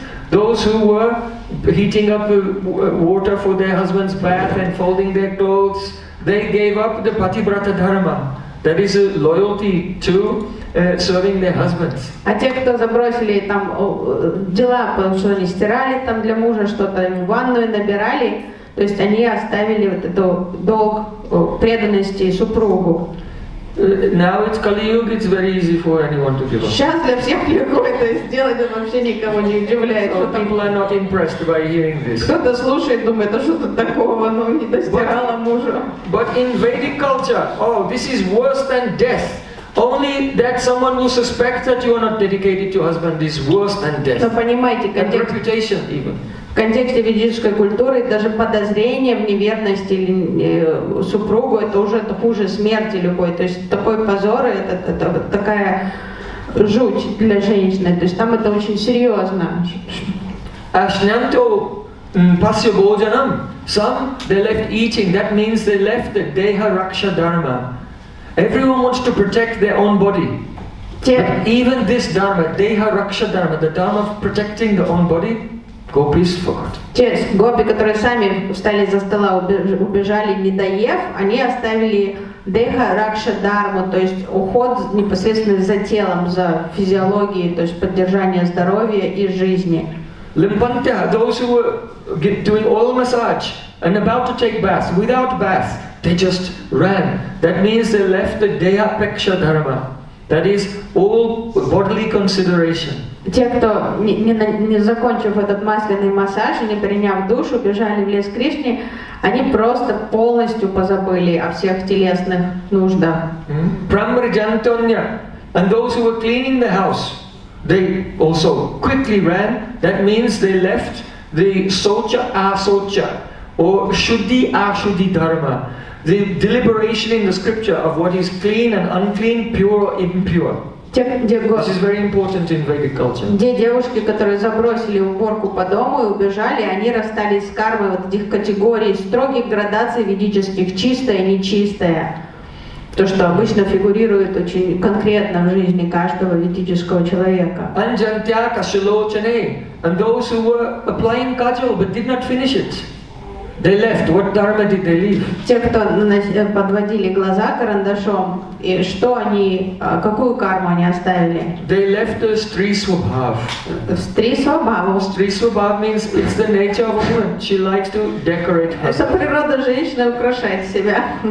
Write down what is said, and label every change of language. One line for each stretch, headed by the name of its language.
English: Those who were heating up water for their husband's bath and folding their clothes, they gave up the Patibrata Dharma, that is a loyalty to serving their husbands.
Russian: А те, кто забросили там дела, потому что они стирали там для мужа что-то, в ванную набирали, то есть они оставили вот этот долг преданности супругу.
English: Now it's Kali Yuga, it's very easy for anyone to give up.
Russian: Сейчас для всех легко это сделать, это вообще никого не удивляет.
English: So people are not impressed by hearing this.
Russian: Кто-то слушает, думает, а что тут такого, но не достирала мужа.
English: But in Vedic culture, oh, this is worse than death. Only that someone will suspect that you are not dedicated to your husband is worse than death.
Russian: Но понимаете,
English: and reputation even.
Russian: В контексте ведической культуры даже подозрение в неверности или супругу это уже это хуже смерти любой. То есть такой позор, это такая жуть для женщины. То есть там это очень серьезно.
Sanskrit: Ашнянто пасья боджанам.
English: Some, they left eating. That means they left the Deha Raksha Dharma. Everyone wants to protect their own body. But even this Dharma, Deha Raksha Dharma, the Dharma of protecting the own body, Gopis forgot.
Russian: Те гопи, которые сами встали за стола, убежали, не доев, они оставили Деха ракша дарма, то есть уход непосредственно за телом, за физиологией, то есть поддержание здоровья и жизни.
English: Limpantya, those who were doing oil massage and about to take bath, without bath, they just ran. That means they left the deha peksha dharma. That is all bodily consideration.
Russian: Те, кто не закончив этот масляный массаж, не приняв душ, убежали в лес Кришне, они просто полностью позабыли о всех телесных нуждах.
English: Прамриджантонья, and those who were cleaning the house, they also quickly ran. That means they left the socha asocha or shuddhi ashuddhi dharma. The deliberation in the scripture of what is clean and unclean, pure or impure. This is very important in Vedic culture.
Russian: Где девушки, которые забросили уборку по дому и убежали, они расстались с кармой вот этих категорий строгих градаций ведических чистое и нечистое. То, что обычно фигурирует очень конкретно в жизни каждого ведического человека.
English: Anjantya kashalochane, and those who were applying kajal but did not finish it. They left. What dharma did they leave?
Russian: Те, кто подводили глаза карандашом, и что они, какую карму они оставили?
English: They left the stri swabhav. Stri swabhav. Stri swabhav means it's the nature of a woman. She likes to decorate herself.
Russian: Это природа женщины украшать себя.